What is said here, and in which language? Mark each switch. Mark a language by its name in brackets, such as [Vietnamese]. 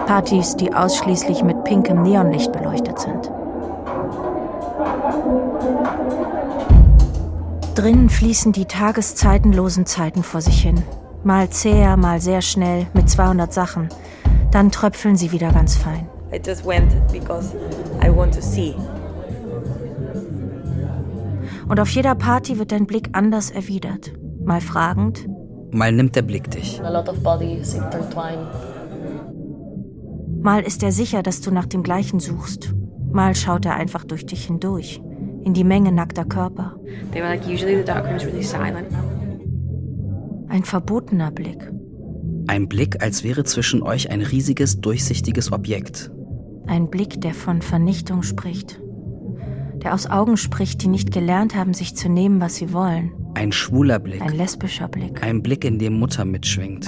[German] Partys, die ausschließlich mit pinkem Neonlicht beleuchtet sind. Drinnen fließen die tageszeitenlosen Zeiten vor sich hin. Mal zäher, mal sehr schnell, mit 200 Sachen. Dann tröpfeln sie wieder ganz fein. [English] I just went because I want to see. [German] Und auf jeder Party wird dein Blick anders erwidert. Mal fragend. Mal nimmt der Blick dich. [English] A lot of bodies intertwine. [German] Mal ist er sicher, dass du nach dem Gleichen suchst. Mal schaut er einfach durch dich hindurch, in die Menge nackter Körper. [English] They were like, usually the dark room is really silent. [German] Ein verbotener Blick. Ein Blick, als wäre zwischen euch ein riesiges, durchsichtiges Objekt. Ein Blick, der von Vernichtung spricht. der aus Augen spricht, die nicht gelernt haben, sich zu nehmen, was sie wollen. Ein schwuler Blick. Ein lesbischer Blick. Ein Blick, in dem Mutter mitschwingt.